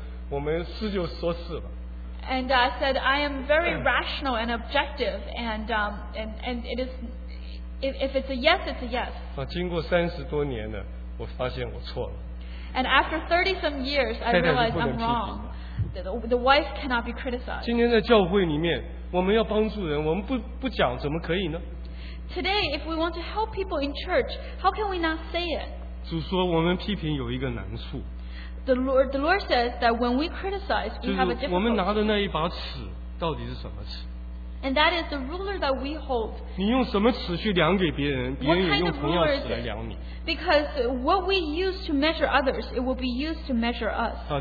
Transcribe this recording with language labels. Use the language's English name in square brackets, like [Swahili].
[Chinese] 我说我是很客观、很理性的，我们没有感情的事，我还是一样爱他，但是我们事就说事了。 [English] And I said, "I am very rational and objective, and it is if it's a yes, it's a yes." [Chinese] 啊，经过30多年的。我发现我错了。 [English] And after 30 some years, I realized I'm wrong. The wife cannot be criticized. [Chinese] 今天在教会里面，我们要帮助人，我们不讲怎么可以呢？ [English] Today, if we want to help people in church, how can we not say it? [Chinese] 主说我们批评有一个难处。 [English] The Lord says that when we criticize, we have a difficulty. [Chinese] 就是我们拿的那一把尺到底是什么尺？ [English] And that is the ruler that we hold. [Chinese] 你用什么尺去量给别人，别人也用同样尺来量你。 [English] Because what we use to measure others, it will be used to measure us.